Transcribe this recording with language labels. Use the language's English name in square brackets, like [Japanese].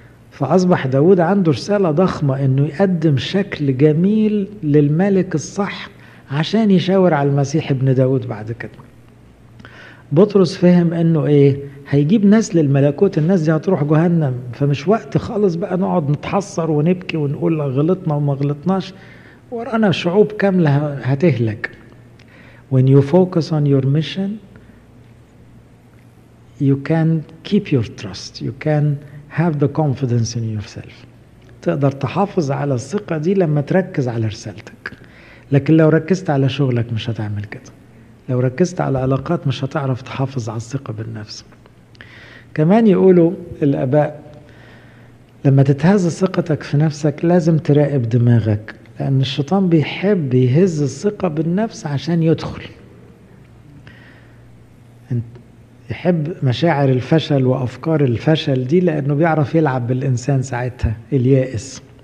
[Arabic] فأصبح داود عنده رسالة ضخمة، أنه يقدم شكل جميل للملك الصح عشان يشاور على المسيح ابن داود بعد كده. بطرس فهم أنه إيه هيجيب ناس للملكوت، الناس دي هتروح جهنم، فمش وقت خالص بقى نقعد نتحسر ونبكي ونقول غلطنا وما غلطناش، ورانا شعوب كاملة هتهلك. [English] When you focus on your mission you can keep your trust, you can have the confidence in yourself. [Arabic] تقدر تحافظ على الثقة دي لما تركز على رسالتك، لكن لو ركزت على شغلك مش هتعمل كده، لو ركزت على علاقات مش هتعرف تحافظ على الثقة بالنفس. كمان يقولوا الآباء لما تتهز ثقتك في نفسك لازم تراقب دماغك، لأن الشيطان بيحب يهز الثقة بالنفس عشان يدخل، يحب مشاعر الفشل وأفكار الفشل دي، لأنه بيعرف يلعب بالإنسان ساعتها اليائس.